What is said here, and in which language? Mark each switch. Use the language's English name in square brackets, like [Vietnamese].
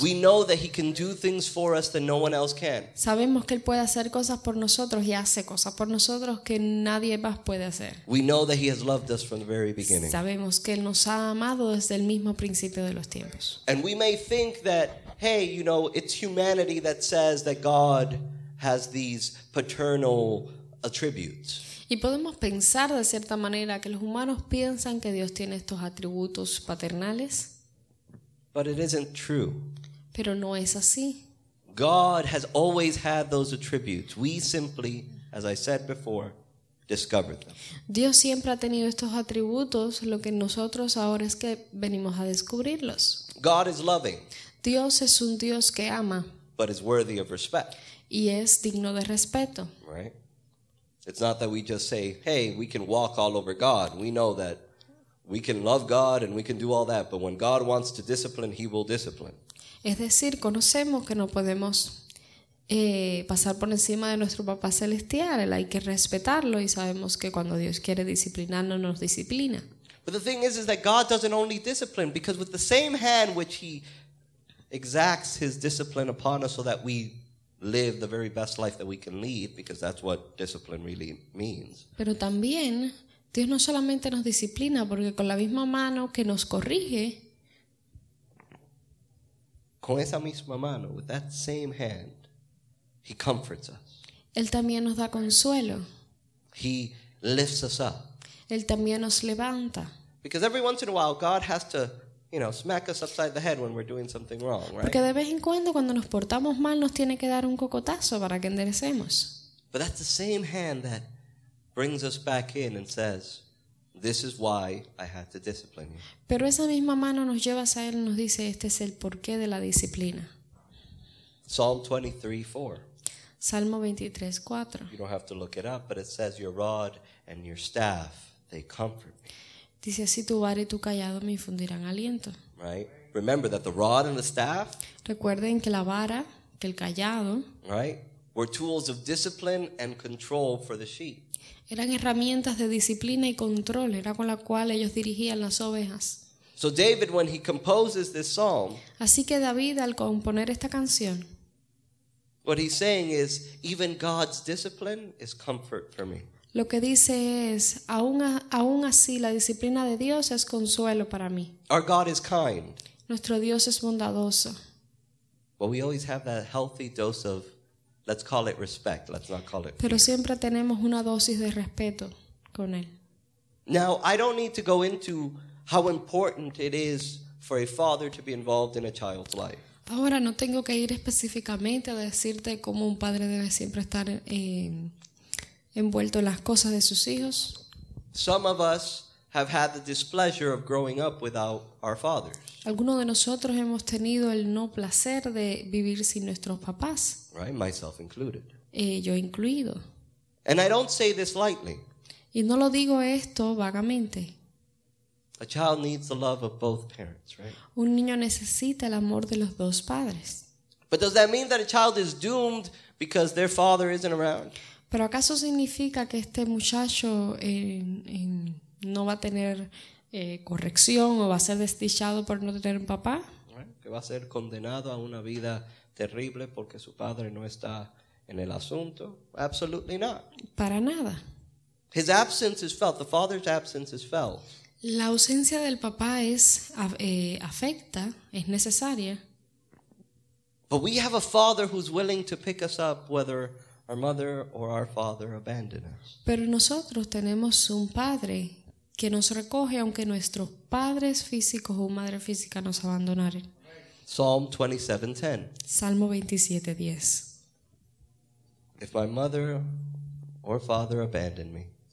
[English] We know that he can do things for us that no one else can. [Spanish] Sabemos que él puede hacer cosas por nosotros y hace cosas por nosotros que nadie más puede hacer. [English] We know that he has loved us from the very beginning. [Spanish] Sabemos que él nos ha amado desde el mismo principio de los tiempos. [English] And we may think that, hey, you know, it's humanity that says that God has these paternal attributes. [Spanish] Y podemos pensar de cierta manera que los humanos piensan que Dios tiene estos atributos paternales. [English] But it isn't true. [Spanish] Pero no es así. [English] God has always had those attributes. We simply, as I said before, discovered them. [Spanish] Dios siempre ha tenido estos atributos, lo que nosotros ahora es que venimos a descubrirlos. [English] God is loving. [Spanish] Dios es un Dios que ama. [English] But is worthy of respect. [Spanish] Y es digno de respeto. [English] Right? It's not that we just say, hey, we can walk all over God. We know that we can love God and we can do all that. But when God wants to discipline, he will discipline. [Spanish] Es decir, conocemos que no podemos pasar por encima de nuestro papá celestial. Él hay que respetarlo y sabemos que cuando Dios quiere disciplinarnos, nos disciplina. [English] But the thing is that God doesn't only discipline, because with the same hand which he exacts his discipline upon us so that we live the very best life that we can lead, because that's what discipline really means. [Spanish] Pero también Dios no solamente nos disciplina, porque con la misma mano que nos corrige, con esa misma mano, [English] with that same hand, he comforts us. [Spanish] Él también nos da consuelo. [English] He lifts us up. [Spanish] Él también nos levanta. [English] Because every once in a while God has to, you know, smack us upside the head when we're doing something wrong, right? [Spanish] Porque de vez en cuando, cuando nos portamos mal, nos tiene que dar un cocotazo para que enderecemos. [English] But that's the same hand that brings us back in and says, this is why I had to discipline you. [Spanish] Pero esa misma mano nos lleva a él y nos dice, este es el porqué de la disciplina. [English] Psalm 23:4. [Spanish] Salmo 23:4. [English] You don't have to look it up, but it says, your rod and your staff, they comfort me. [Spanish] Dice así, tu vara y tu callado me infundirán aliento. [English] Right. Remember that the rod and the staff. [Spanish] Recuerden que la vara, que el callado. [English] Right. Were tools of discipline and control for the sheep. [Spanish] Eran herramientas de disciplina y control. Era con la cual ellos dirigían las ovejas. [English] So David, when he composes this psalm. [Spanish] Así que David, al componer esta canción. [English] What he's saying is, even God's discipline is comfort for me. [Spanish] Lo que dice es, aún así, la disciplina de Dios es consuelo para mí. [English] Our God is kind. [Spanish] Nuestro Dios es bondadoso. [English] But we always have that healthy dose of, let's call it respect, let's not call it fear. [Spanish] Pero siempre tenemos una dosis de respeto con Él. [English] Now, I don't need to go into how important it is for a father to be involved in a child's life. [Spanish] Ahora, no tengo que ir específicamente a decirte cómo un padre debe siempre estar envuelto en las cosas de sus hijos. [English] Some of us have had the displeasure of growing up without our fathers. [Spanish] Algunos de nosotros hemos tenido el no placer de vivir sin nuestros papás. [English] Right, myself included. [Spanish] Yo incluido. [English] And I don't say this lightly. [Spanish] Y no lo digo esto vagamente. [English] A child needs the love of both parents, right? [Spanish] Un niño necesita el amor de los dos padres. [English] But does that mean that a child is doomed because their father isn't around? [Spanish] ¿Pero acaso significa que este muchacho no va a tener corrección o va a ser desdichado por no tener un papá? Que va a ser condenado a una vida terrible porque su padre no está en el asunto. [English] Absolutely not. [Spanish] Para nada. [English] His absence is felt. The father's absence is felt. [Spanish] La ausencia del papá es afecta, es necesaria. [English] But we have a father who's willing to pick us up whether our mother or our father abandon us. [Spanish] Pero nosotros tenemos un padre que nos recoge aunque nuestros padres físicos o madre física nos abandonaren. [English] Psalm 27:10. [Spanish] Salmo 27:10. [English] If my mother or father abandon me,